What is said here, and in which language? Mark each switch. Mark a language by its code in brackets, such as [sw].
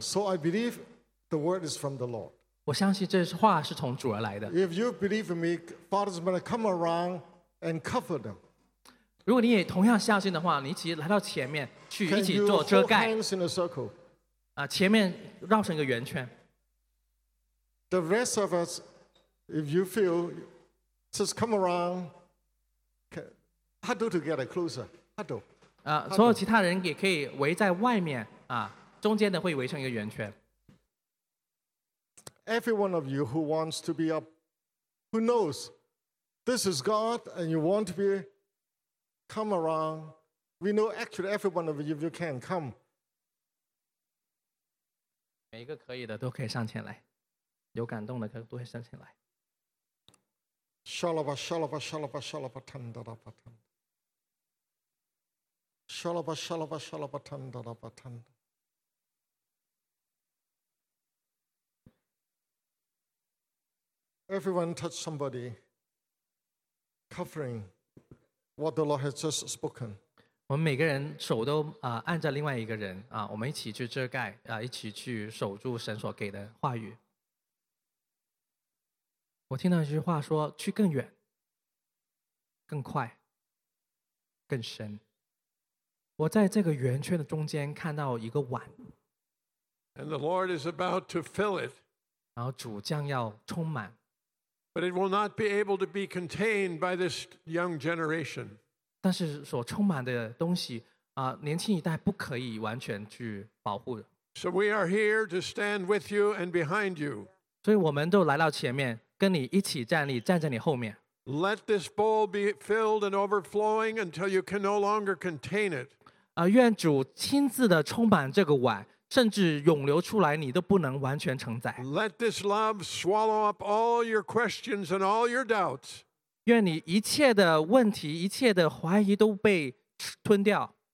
[en] So I believe the word is from the Lord. [zh] 我相信这话是从主而来的。 [en] If you believe in me, Father's going to come around and cover them. [zh] 如果你也同样相信的话, 你一起来到前面, 去一起做遮盖。 [en] Can you hold hands in a circle? [zh] 前面绕成一个圆圈。 [en] The rest of us, if you feel says, come around. Huddle together, closer. Huddle. [zh] 所有其他人也可以围在外面, 中间的会围成一个圆圈。 [en] Every one of you who wants to be up, who knows this is God and you want to be, come around. We know actually every one of you, if you can, come. [zh] 每一个可以的都可以上前来, 有感动的都可以上前来。 Shalaba, shalaba, shalaba, shalaba, tandada, patanda. Shalaba, shalaba, shalaba, tandada, patanda. [en] Everyone touch somebody, covering what the Lord has just spoken. [zh] 我们每个人手都, 按着另外一个人, 我们一起去遮盖, 一起去守住神所给的话语。我听到一句话说, 去更远, 更快, 更深。我在这个圆圈的中间看到一个碗。 [en] And the Lord is about to fill it. [zh] 然后主将要充满。 [en] But it will not be able to be contained by this young generation. [zh] 但是所充满的东西, 年轻一代不可以完全去保护。 [en] So we are here to stand with you and behind you. [zh] 所以我们都来到前面, 跟你一起站立, 站在你后面。 [en] Let this bowl be filled and overflowing until you can no longer contain it. [zh] 愿主亲自地充满这个碗。甚至涌流出来，你都不能完全承载。 [en] Let this love swallow up all your questions and all your doubts. [zh] 愿你一切的问题，一切的怀疑都被吞掉。